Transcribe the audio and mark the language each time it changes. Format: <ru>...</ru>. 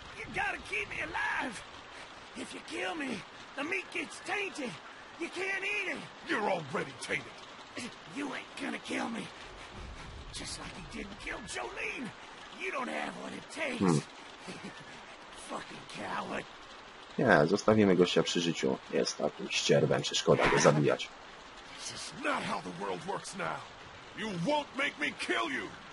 <en>You gotta keep me alive. If you kill me, the meat gets tainted. You can't eat it! You're already tainted! You ain't gonna kill me! Just like he didn't kill Jolene! You don't have what it takes! Fucking coward!</en> <pl>Nie, zostawimy gościa przy życiu. Jest takim ścierbem, czy szkoda go zabijać.</pl> <en>This is not how the world works now! You won't make me kill you!</en>